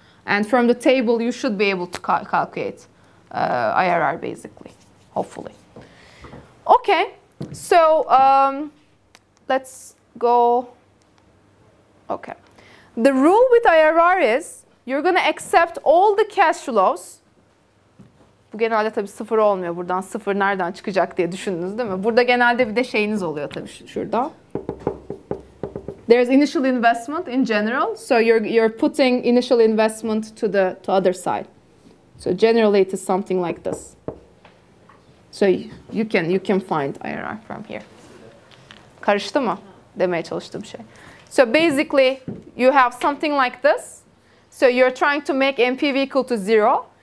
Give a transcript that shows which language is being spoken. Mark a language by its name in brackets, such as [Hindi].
[English] And from the table, you should be able to calculate IRR, basically, hopefully. Okay, so let's go. Okay. The rule with IRR is you're going to accept all the cash flows. [Turkish] Bu genelde tabii sıfır olmuyor. Buradan sıfır nereden çıkacak diye düşündünüz değil mi? Burada genelde bir de şeyiniz oluyor tabii şurada. [English] There's initial investment in general. So you're putting initial investment to the other side. So generally it is something like this. So you can find IRR from here. [Turkish] Karıştı mı? Demeye çalıştığım şey. [English] So basically you have something like this. So you're trying to make NPV equal to zero.